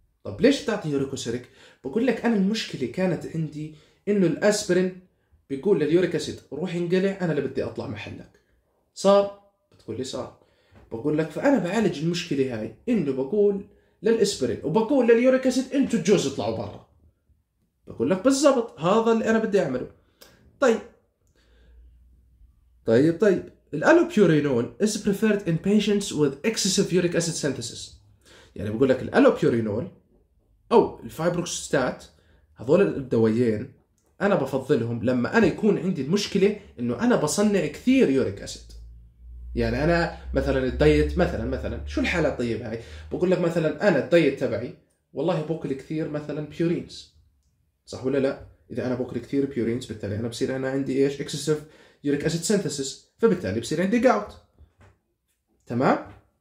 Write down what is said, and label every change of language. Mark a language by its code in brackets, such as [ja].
[ar] طب ليش بتعطي يوريكوسيريك؟ بقول لك انا المشكله كانت عندي انه الاسبرين بيقول لليوريك اسيد روح انقلع، انا اللي بدي اطلع محلك، صار؟ بتقول لي صار. بقول لك فانا بعالج المشكله هاي انه بقول للاسبرين وبقول لليوريك اسيد انتوا الجوز اطلعوا برا. بقول لك بالضبط هذا اللي انا بدي اعمله. [en] طيب الالوبيورينول is preferred in patients with excessive uric acid synthesis. [ar] يعني بقول لك الالوبيورينول او الفايبروكسستات هذول الدوايين انا بفضلهم لما انا يكون عندي المشكله انه انا بصنع كثير يوريك اسيد. يعني انا مثلا الدايت مثلا شو الحاله الطيبة هاي؟ بقول لك مثلا انا الدايت تبعي والله بوكل كثير مثلا بيورينز، صح ولا لا؟ اذا انا بوكل كثير بيورينز بالتالي انا بصير انا عندي ايش؟ [en] excessive uric acid synthesis, [ar] فبالتالي بصير عندي جاوت، تمام.